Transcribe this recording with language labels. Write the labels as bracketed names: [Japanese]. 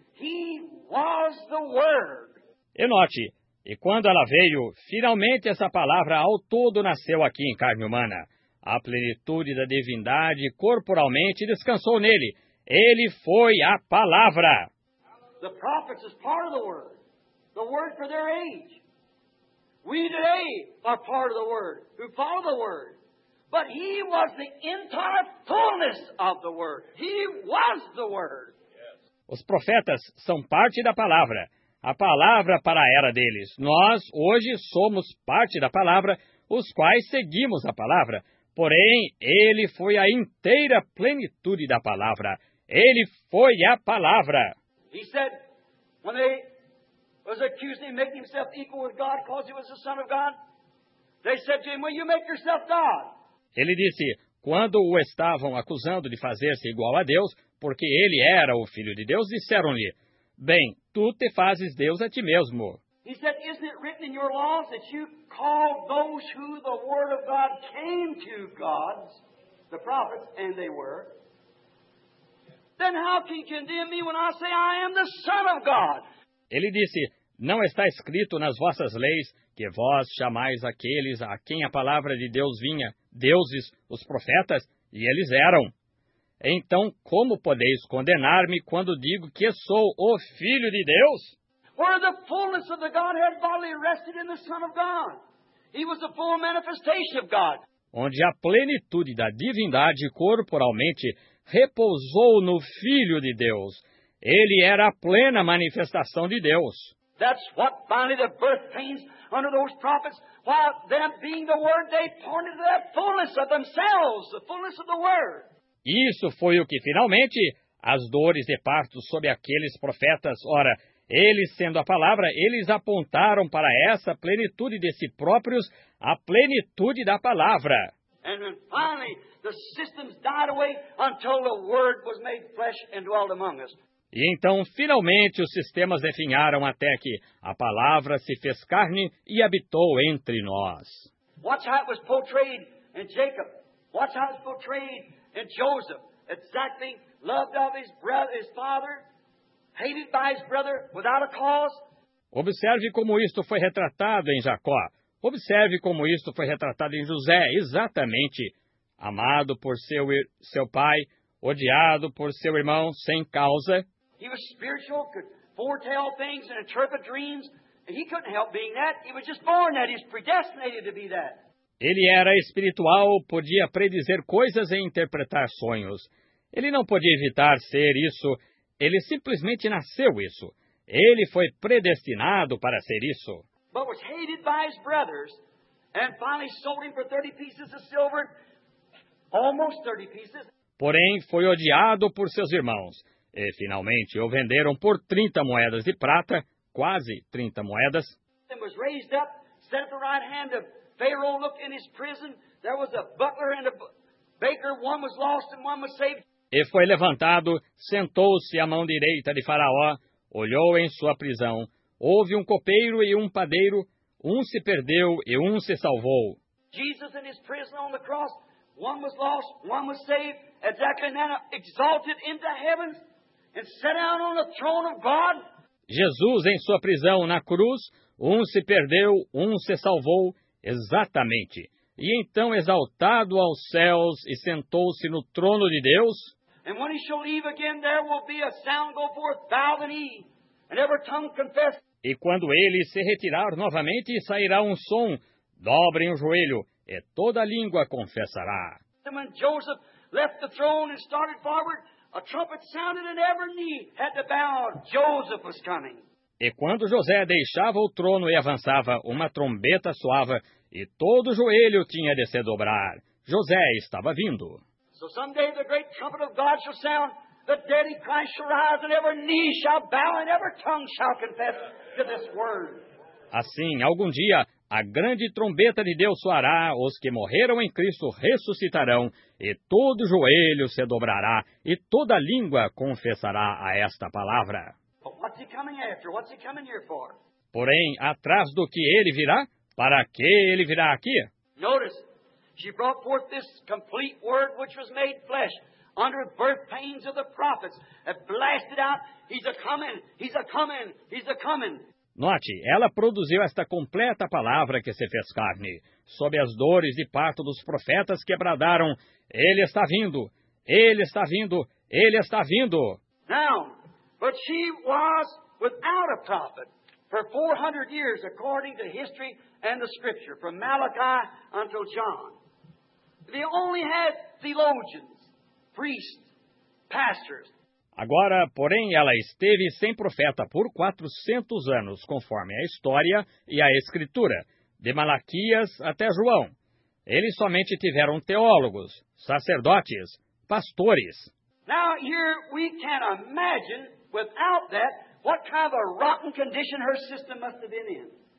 [English] He was the word. [Portuguese] E note, e quando ela veio, finalmente essa palavra ao todo nasceu aqui em carne humana. A plenitude da divindade corporalmente descansou nele. Ele foi a palavra. [English] The prophets is part of the word. The word for their age. We today are part of the word, who follow the word. But he was the entire fullness of the word. He was the word. [Portuguese] Os profetas são parte da palavra. A palavra para a era deles. Nós, hoje, somos parte da palavra, os quais seguimos a palavra. Porém, ele foi a inteira plenitude da palavra. Ele foi a palavra. [English] He said, when they was accused of making himself equal with God, because he was the Son of God, they said to him, will you make yourself God? [Portuguese] Ele disse, quando o estavam acusando de fazer-se igual a Deus, porque ele era o Filho de Deus, disseram-lhe, bem, tu te fazes Deus a ti mesmo. [English] He said, isn't it written in your laws that you call those who the word of God came to gods, the prophets, and they were? Then how can you condemn me when I say I am the Son of God? [Portuguese] Ele disse, não está escrito nas vossas leis que vós chamais aqueles a quem a palavra de Deus vinha, deuses, os profetas, e eles eram. Então, como podeis condenar-me quando digo que sou o Filho de Deus? [English] Where the fullness of the Godhead bodily rested in the Son of God. He was the full manifestation of God. [Portuguese] Onde a plenitude da divindade corporalmente repousou no Filho de Deus. Ele era a plena manifestação de Deus. [English] That's what finally the birth pains under those prophets, while them being the Word, they pointed to that fullness of themselves, the fullness of the Word. [Portuguese] Isso foi o que, finalmente, as dores de parto sobre aqueles profetas, ora, eles sendo a palavra, eles apontaram para essa plenitude de si próprios, a plenitude da palavra. [English] And then finally, the systems died away until the Word was made flesh and dwelt among us. [Portuguese] E então, finalmente, os sistemas definharam até que a palavra se fez carne e habitou entre nós. [English] Watch how it was portrayed in Jacob. Watch how it was portrayed in Joseph. Exactly loved of his brother, his father, hated by his brother without a cause. [Portuguese] Observe como isto foi retratado em Jacó. Observe como isto foi retratado em José, exatamente. Amado por seu pai, odiado por seu irmão, sem causa. [English] He was spiritual, could foretell things and interpret dreams. He couldn't help being that. He was just born that. He's predestinated to be that. [Portuguese] Ele era espiritual, podia predizer coisas e interpretar sonhos. Ele não podia evitar ser isso. Ele simplesmente nasceu isso. Ele foi predestinado para ser isso. [English] But was hated by his brothers and finally sold him for 30 pieces of silver, almost 30 pieces. [Portuguese] Porém, foi odiado por seus irmãos. E, finalmente, o venderam por 30 moedas de prata, quase 30 moedas. [English] He was raised up, set at the right hand of Pharaoh, looked in his prison. There was a butler and a baker. One was lost and one was saved. [Portuguese] E foi levantado, sentou-se à mão direita de Faraó, olhou em sua prisão. Houve um copeiro e um padeiro. Um se perdeu e um se salvou. [English] Jesus in his prison on the cross. One was lost, one was saved. Exactly, and then exalted into heaven and set down on the throne of God. [Portuguese] Jesus, em sua prisão na cruz, um se perdeu, um se salvou, exatamente. E então exaltado aos céus e sentou-se no trono de Deus. [English] And when he shall leave again, there will be a sound go forth, bow the knee, and every tongue confess. [Portuguese] E quando ele se retirar novamente, sairá um som, dobrem o joelho, e toda a língua confessará. [English] When Joseph left the throne and started forward, a trumpet sounded and every knee had to bow. Joseph was coming. [Portuguese] E quando José deixava o trono e avançava, uma trombeta soava e todo o joelho tinha de se dobrar. José estava vindo. [English] So someday the great trumpet of God shall sound, the dead in Christ shall rise, and every knee shall bow, and every tongue shall confess to this word. [Portuguese] Assim, algum dia, a grande trombeta de Deus soará, os que morreram em Cristo ressuscitarão, e todo joelho se dobrará, e toda língua confessará a esta palavra. [English] But what's he coming after? What's he coming here for? [Portuguese] Porém, atrás do que ele virá? Para que ele virá aqui? [English] Notice, she brought forth this complete word which was made flesh, under the birth pains of the prophets, and blasted out, he's a coming, he's a coming, he's a coming. [Portuguese] Note, ela produziu esta completa palavra que se fez carne. Sob as dores de parto dos profetas que bradaram, ele está vindo, ele está vindo, ele está vindo. [English] Now, but she was without a prophet for 400 years according to history and the scripture, from Malachi until John. They only had theologians, priests, pastors. [Portuguese] Agora, porém, ela esteve sem profeta por 400 anos, conforme a história e a escritura, de Malaquias até João. Eles somente tiveram teólogos, sacerdotes, pastores. [English] Now here we can imagine without that what kind of a rotten condition her system must have been in.